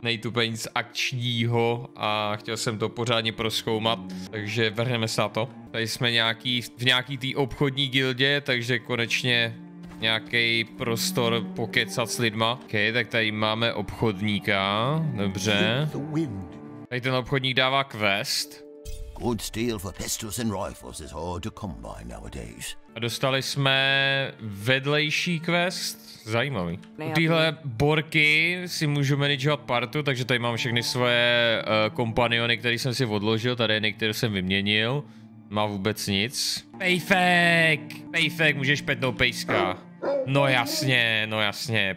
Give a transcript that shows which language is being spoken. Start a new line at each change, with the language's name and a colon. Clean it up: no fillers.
Czech: Není tu nic akčního a chtěl jsem to pořádně prozkoumat, takže vrhneme se na to. Tady jsme v nějaký té obchodní gildě, takže konečně nějaký prostor pokecat s lidma. OK, tak tady máme obchodníka, dobře. Tady ten obchodník dává quest.
English: Good steel for pistols and rifles is hard to come by nowadays.
Czech: A dostali jsme vedlejší quest. Zajímavý. U téhle borky si můžu managovat partu, takže tady mám všechny svoje kompaniony, které jsem si odložil. Tady je některý, jsem vyměnil. Má vůbec nic. Pejfek! Pejfek, můžeš petnout pejska. No jasně.